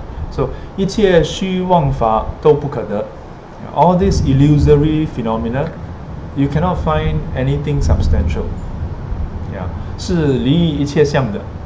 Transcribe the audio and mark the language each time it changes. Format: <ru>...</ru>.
<zh>So, 一切虚妄法都不可得.</zh> <en>All these illusory phenomena, you cannot find anything substantial.</en> <zh>Yeah, 是离一切相的.</zh>